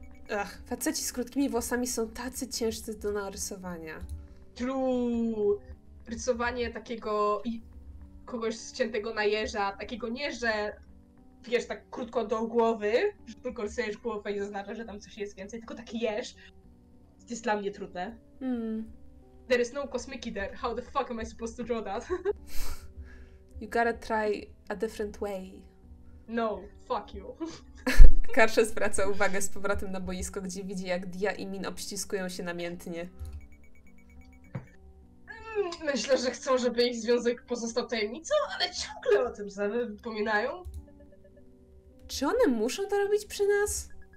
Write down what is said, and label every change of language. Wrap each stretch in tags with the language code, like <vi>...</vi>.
<pl>Ach, faceci z krótkimi włosami są tacy ciężcy do narysowania.</pl> <en>True!</en> <pl>Rysowanie takiego kogoś ściętego na jeża, takiego nie, że w wiesz, tak krótko do głowy, że tylko sejesz głowę i zaznacza, że tam coś jest więcej, tylko tak jesz. To jest dla mnie trudne. Hmm.</pl> <en>There is no cosmic eater. How the fuck am I supposed to draw that? You gotta try a different way. No, fuck you.</en> <pl>Karsza zwraca uwagę z powrotem na boisko, gdzie widzi, jak Dia i Min obściskują się namiętnie. Myślę, że chcą, żeby ich związek pozostał tajemnicą, ale ciągle o tym zapominają. Czy one muszą to robić przy nas?</pl>